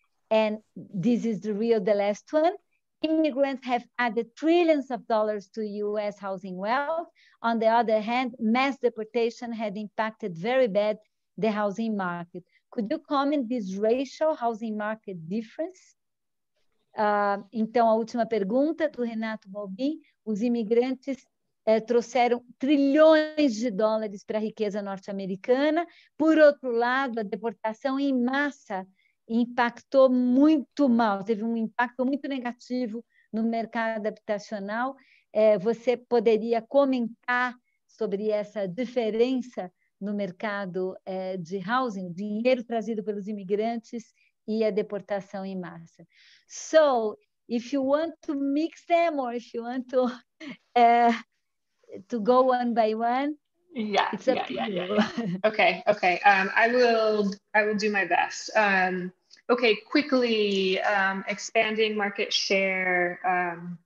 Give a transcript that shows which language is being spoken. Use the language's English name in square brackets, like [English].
[English] And this is the real, the last one. Immigrants have added trillions of dollars to US housing wealth. On the other hand, mass deportation had impacted very bad the housing market. Could you comment this racial housing market difference? [Portuguese] Então, a última pergunta do Renato Balbin. Os imigrantes trouxeram trilhões de dólares para a riqueza norte-americana. Por outro lado, a deportação em massa impactou muito mal, teve um impacto muito negativo no mercado habitacional. Você poderia comentar sobre essa diferença no mercado de housing, dinheiro trazido pelos imigrantes e a deportação em massa. [English] So, if you want to mix them or if you want to go one by one, it's up to you. Okay. I will do my best. Okay, quickly, expanding market share.